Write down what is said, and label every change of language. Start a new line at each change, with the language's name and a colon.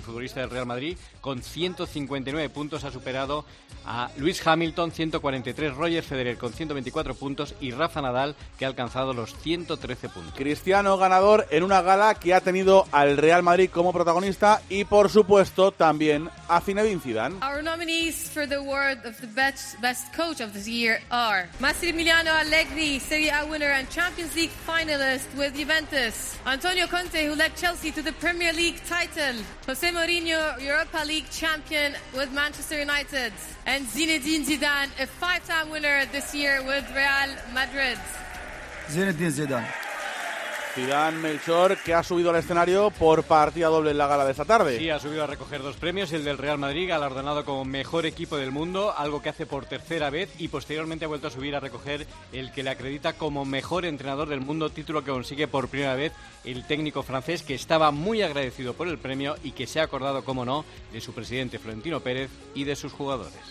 Spanish: El futbolista del Real Madrid, con 159 puntos, ha superado a Lewis Hamilton, 143, Roger Federer con 124 puntos y Rafa Nadal, que ha alcanzado los 113 puntos. Cristiano gana en una gala que ha tenido al Real Madrid como protagonista y, por supuesto, también a Zinedine Zidane.
English: Our nominees for the award of the best coach of this year are Massimiliano Allegri, Serie A winner and Champions League finalist with Juventus; Antonio Conte, who led Chelsea to the Premier League title; José Mourinho, Europa League champion with Manchester United; and Zinedine Zidane, a five-time winner this year with Real Madrid. Zinedine Zidane.
Spanish: Zidane, Melchor, que ha subido al escenario por partida doble en la gala de esta tarde. Sí, ha subido a recoger dos premios, el del Real Madrid, galardonado como mejor equipo del mundo, algo que hace por tercera vez, y posteriormente ha vuelto a subir a recoger el que le acredita como mejor entrenador del mundo, título que consigue por primera vez el técnico francés, que estaba muy agradecido por el premio y que se ha acordado, como no, de su presidente Florentino Pérez y de sus jugadores.